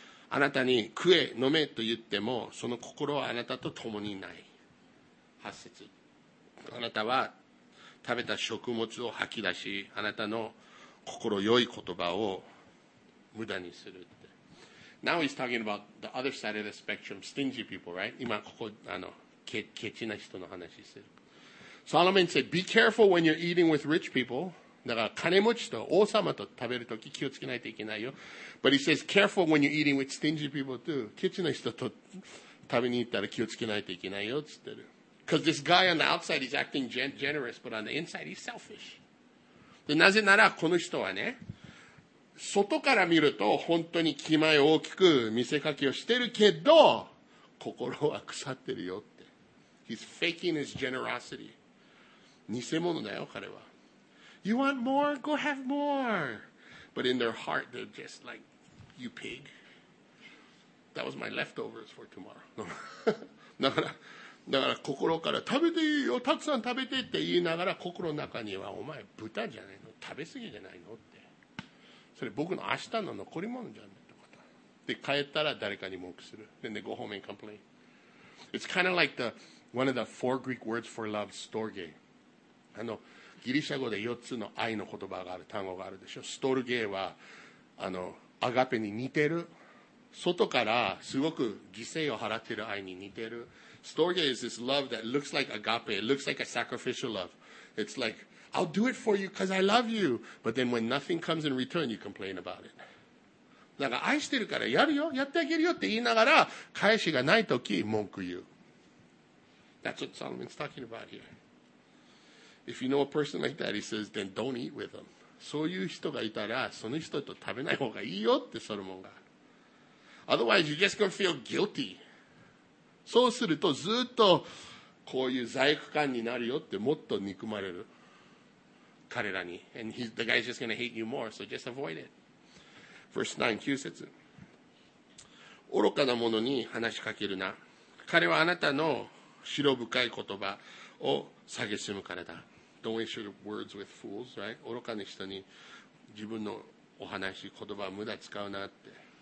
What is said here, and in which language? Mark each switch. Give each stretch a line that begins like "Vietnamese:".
Japanese: あなたに食え、飲めと言っても、その心はあなたと共にない。 8節。あなたは食べた食物を吐き出し、あなたの心良い言葉を無駄にするって。
English: Now he's talking about the other side of the spectrum, stingy people, right?
Japanese: 今ここあのケチな人の話する。
English: Solomon said, "Be careful when you're eating with rich people."
Japanese: だから金持ちと王様と食べるとき気をつけないといけないよ。
English: But he says, "Careful when you're eating with stingy people too."
Japanese: ケチな人と食べに行ったら気をつけないといけないよっつってる。
English: Because this guy on the outside, he's acting generous, but on the inside, he's selfish.
Japanese: で、なぜならこの人はね、外から見ると本当に気前大きく見せかけをしてるけど、心は腐ってるよって。
English: He's faking his generosity.
Japanese: 偽物だよ、彼は。
English: You want more? Go have more. But in their heart, they're just like, you pig. That was my leftovers for tomorrow.
Japanese: だから心から食べていいよ、たくさん食べてって言いながら心の中にはお前豚じゃないの、食べ過ぎじゃないのって、それ僕の明日の残り物じゃんってこと。で帰ったら誰かに文句する。
English: Then they go home and complain. It's kind of like one of the four Greek words for love, storge.
Japanese: あのギリシャ語で4つの愛の言葉がある、単語があるでしょ。ストルゲーはあのアガペに似てる、外からすごく犠牲を払ってる愛に似てる。
English: Storge is this love that looks like agape. It looks like a sacrificial love. It's like, I'll do it for you because I love you. But then when nothing comes in return, you complain about it.
Japanese: だから愛してるからやるよ、やってあげるよって言いながら返しがないとき文句言う。
English: That's what Solomon's talking about here. If you know a person like that, he says, then don't eat with them.
Japanese: そういう人がいたらその人と食べない方がいいよってソロモンが。
English: Otherwise, you're just going to feel guilty.
Japanese: そうするとずっとこういう罪悪感になるよって、もっと憎まれる彼らに。
English: And he's, the guy's just going to hate you more, so just avoid it. Verse 9,
Japanese: 9節。愚かな者に話しかけるな。彼はあなたの白深い言葉を蔑むからだ。
English: Don't waste your words with fools, right?
Japanese: 愚かな人に自分のお話、言葉は無駄使うなって。